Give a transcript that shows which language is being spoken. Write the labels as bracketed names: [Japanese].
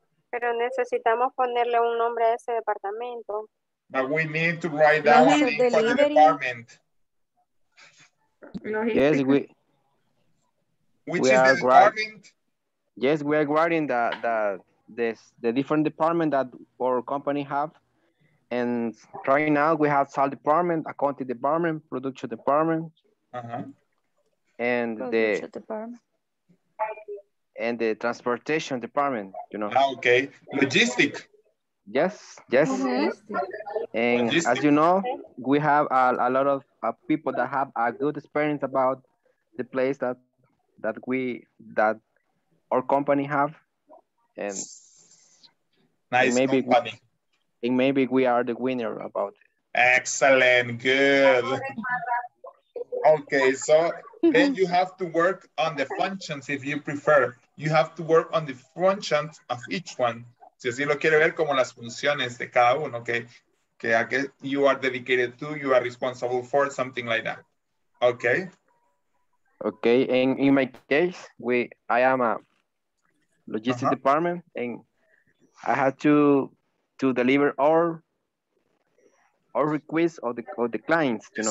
[Spanish] Pero necesitamos ponerle un nombre a ese departamento. [English] But we need to write down a name for the department. Yes, we. Which we is are the department? Yes, we are guarding the different department that our company have. And right now we have sales department, accounting department, production department. Uh-huh. And production department. And the transportation department, you know. Okay, logistic. Yes, yes. Mm-hmm. And logistic. As you know, we have a lot of people that have a good experience about the place that our company have. And nice maybe company. And maybe we are the winner about it. Excellent, good. Okay, so then you have to work on the functions if you prefer. You have to work on the functions of each one. [Spanish] Si así lo quiere ver, como las funciones de cada uno, okay? Que a que [English] you are dedicated to, you are responsible for, something like that. Okay? Okay, and in my case, I am a logistics uh-huh. department, and I have to deliver all requests of the clients, you know?